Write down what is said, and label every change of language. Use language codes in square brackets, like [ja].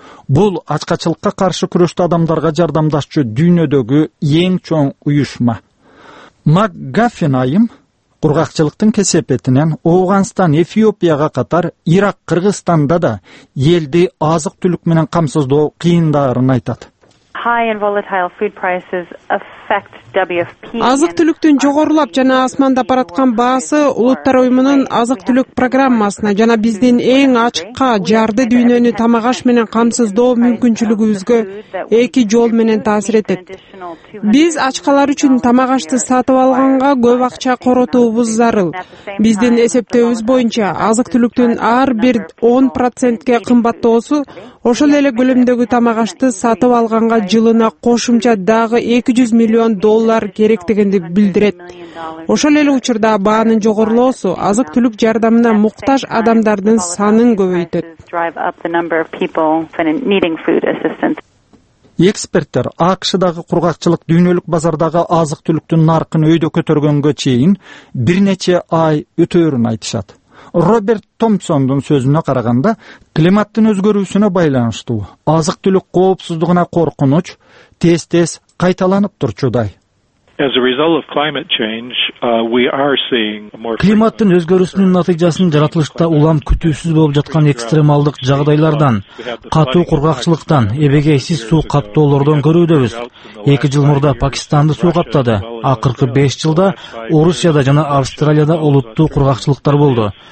[ky] Бул ачкачылыкка каршы күрөштө адамдарга жардамдашчу дүйнөдөгү эң чоң уюшма. Макгафин айым кургакчылыктын кесепетинен Ооганстан, Эфиопияга катар Ирак, Кыргызстанда да элди азык-түлүк менен камсыздоо кыйындарын айтат. [en] High and volatile food prices affect WFP. [ky] Азык-түлүктүн жогорулап жана асманда бараткан баасы Улуттар Уюмунун азык-түлүк программасына жана биздин эң ачыкка жарды дүйнөнү тамак аш менен камсыздоо мүмкүнчүлүгүбүзгө эки жол менен таасир этет. Биз ачкалар үчүн тамак ашты сатып алганга көп акча коротуубуз зарыл. Биздин эсептөөбүз боюнча азык-түлүктүн ар бир 10% кымбаттоосу ошол эле көлөмдөгү тамак ашты сатып алганга жылына кошумча дагы $200 млн керектегенди билдирет. Ошол эле учурда баанын жогорулоосу азык-түлүк жардамына муктаж адамдардын санын көбөйтөт. Эксперттер АКШдагы кургакчылык дүйнөлүк базардагы азык-түлүктүн наркын өйдө көтөргөнгө чейин бир нече ай өтөрүн айтышат. Роберт Томпсондун сөзүнө караганда, климаттын өзгөрүүсүнө байланыштуу азык-түлүк коопсуздугуна коркунуч тез-тез кайталанып турчудай. [en] As a result of climate change, we are seeing more [ky] климаттын өзгөрүүсүнүн натыйжасынын жаратылышта улам күтүүсүз болуп жаткан экстремалдык жагдайлардан, катуу кургакчылыктан, эбегейсиз суу каптоолордон көрүүдөбүз. 2 жыл мурда Пакистанды суу каптады. Акыркы 5 жылда Орусияда жана Австралияда олуттуу кургакчылыктар болду.